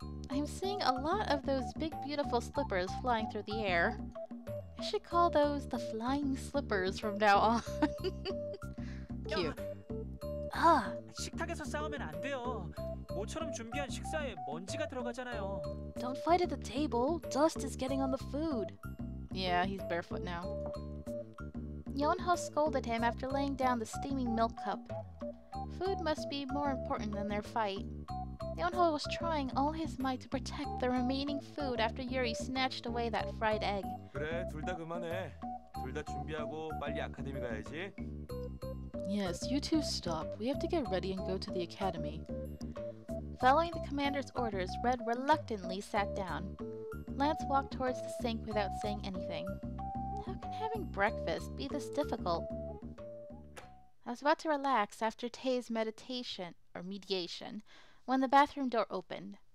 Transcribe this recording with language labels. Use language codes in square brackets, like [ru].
[en] I'm seeing a lot of those big beautiful slippers flying through the air. I should call those the flying slippers from now on. Cute. Ah! [ko] 식탁에서 싸우면 안 돼요. 모처럼 준비한 식사에 먼지가 들어가잖아요. [en] Don't fight at the table. Dust is getting on the food. Yeah, he's barefoot now. Yeonho scolded him after laying down the steaming milk cup. Food must be more important than their fight. Yeonho was trying all his might to protect the remaining food after Yuri snatched away that fried egg. [ko] 그래, 둘 다 그만해. 둘 다 준비하고 빨리 아카데미 가야지. [en] Yes, you two stop. We have to get ready and go to the academy. Following the commander's orders, Red reluctantly sat down. Lance walked towards the sink without saying anything. How can having breakfast be this difficult? I was about to relax after Tay's mediation, when the bathroom door opened.